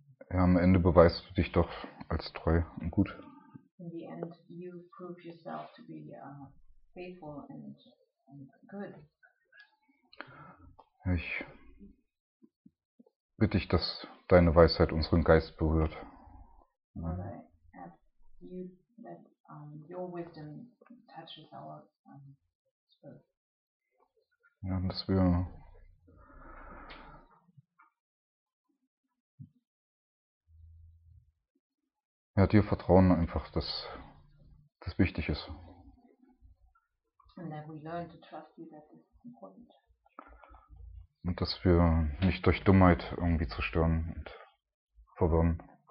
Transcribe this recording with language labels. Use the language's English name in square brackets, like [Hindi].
[German] Ja, am Ende beweist du dich doch als treu und gut. [English] In the end, you prove yourself to be faithful and good. [German] Ich bitte dich, dass deine Weisheit unseren Geist berührt. [English] I ask you that your wisdom touches our spirit. [German] Ja, dass wir ja, dir vertrauen einfach, dass das wichtig ist. [English] And that we learn to trust you, that is important. [German] Und dass wir nicht durch Dummheit irgendwie zerstören und verwirren.